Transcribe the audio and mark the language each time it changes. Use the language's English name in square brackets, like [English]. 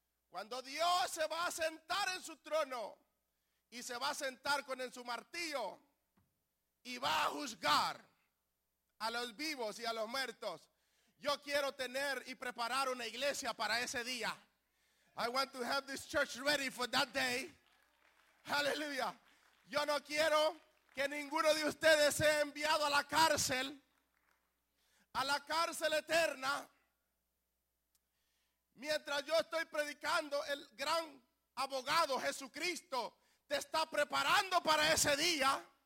[Spanish] Cuando Dios se va a sentar en su trono. Y se va a sentar con su martillo. Y va a juzgar a los vivos y a los muertos. Yo quiero tener y preparar una iglesia para ese día. [English] I want to have this church ready for that day. [Spanish] Aleluya. Yo no quiero que ninguno de ustedes sea enviado a la cárcel eterna. Mientras yo estoy predicando, el gran abogado Jesucristo te está preparando para ese día.